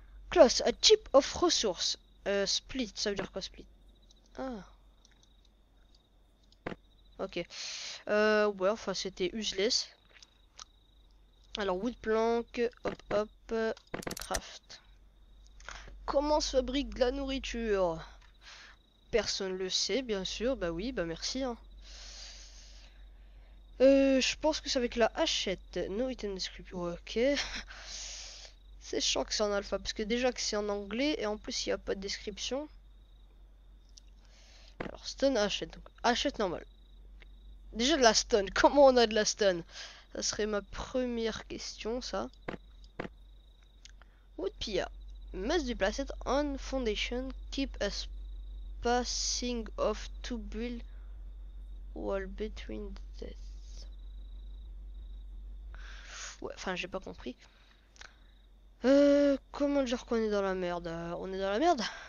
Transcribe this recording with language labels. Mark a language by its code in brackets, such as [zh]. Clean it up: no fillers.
[en] Class, a type of resource. [fr] Split, ça veut dire quoi split? Ah. Ok. Ouais, enfin, c'était useless. Alors, wood plank, hop, craft. Comment se fabrique de la nourriture? Personne le sait, bien sûr. Bah oui, bah merci, hein. Je pense que c'est avec la hachette. [en] No item description. Ok. [fr] C'est chiant que c'est en alpha, parce que déjà que c'est en anglais, et en plus il n'y a pas de description. Alors, stone hachette. Donc, hachette normale. Déjà de la stone. Comment on a de la stone? Ça serait ma première question, ça. [en] Wood pia. Must be placed on foundation. Keep a spacing of two build wall between the death. [fr] Ouais, enfin, j'ai pas compris. Comment dire qu'on est dans la merde? On est dans la merde?